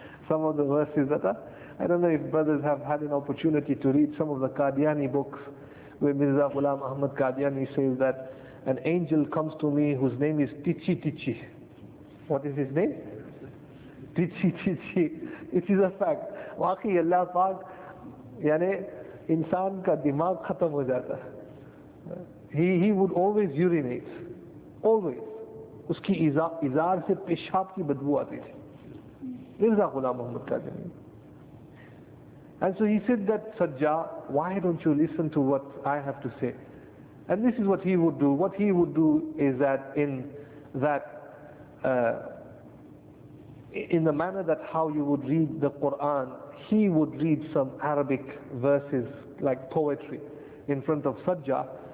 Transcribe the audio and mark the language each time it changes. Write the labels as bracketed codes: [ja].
[en] Some of the verses that are... I don't know if brothers have had an opportunity to read some of the Qadiani books, where Mirza Ghulam Ahmad Qadiani says that an angel comes to me whose name is Tichi Tichi. What is his name? Tichi Tichi. It is a fact. [ur] Waqi Allah Paak, yani insan ka dimag khatam ho jata. [en] He would always urinate. Always. [ur] اسکی ازار سے پیشاب کی بدبو آتی تھی۔ مرزا غلام محمد Qadiani. [en] And so he said that, Sajjah, why don't you listen to what I have to say? And this is what he would do. What he would do is that in the manner that how you would read the Quran, he would read some Arabic verses like poetry in front of Sajjah.